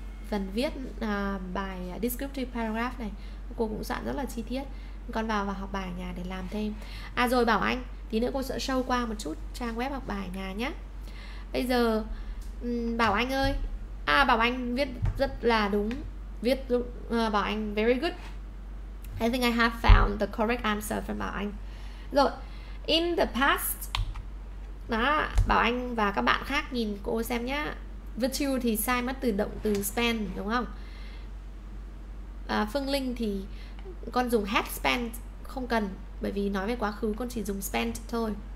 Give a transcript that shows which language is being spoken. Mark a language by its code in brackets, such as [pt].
[vi] Phần viết bài descriptive paragraph này cô cũng soạn rất là chi tiết. Con vào và học bài nhà để làm thêm. À rồi Bảo Anh, tí nữa cô sẽ show qua một chút trang web học bài nhà nhé. Bây giờ Bảo Anh ơi, à Bảo Anh viết rất là đúng, viết Bảo Anh [en] very good. I think I have found the correct answer from Bảo Anh. Rồi, in the past. [vi] Đó, Bảo Anh và các bạn khác nhìn cô xem nhé. Virtue thì sai mất từ động từ spend đúng không? À, Phương Linh thì con dùng have spent không cần, bởi vì nói về quá khứ con chỉ dùng spent thôi.